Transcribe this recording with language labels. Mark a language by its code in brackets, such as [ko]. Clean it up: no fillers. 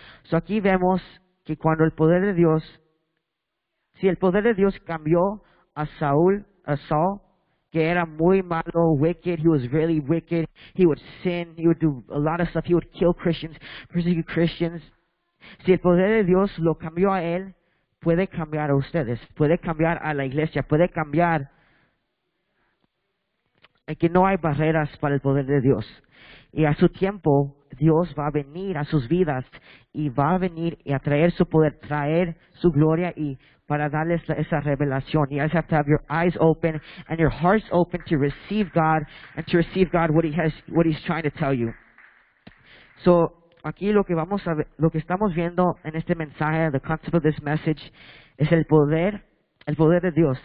[es] So aquí vemos que cuando el poder de Dios cambió a Saúl, a Saul, que era muy malo, [en] wicked. He was really wicked. He would sin. He would do a lot of stuff. He would kill Christians, persecute Christians. [es] Si el poder de Dios lo cambió a él, puede cambiar a ustedes. Puede cambiar a la iglesia. Puede cambiar. Es que no hay barreras para el poder de Dios. Y a su tiempo, Dios va a venir a sus vidas y va a venir y a traer su poder, traer su gloria y para darles esa revelación. [en] You guys have to have your eyes open and your hearts open to receive God and to receive God what He's trying to tell you. [es] So, aquí lo que estamos viendo en este mensaje, [en] the concept of this message, [es] es el poder de Dios.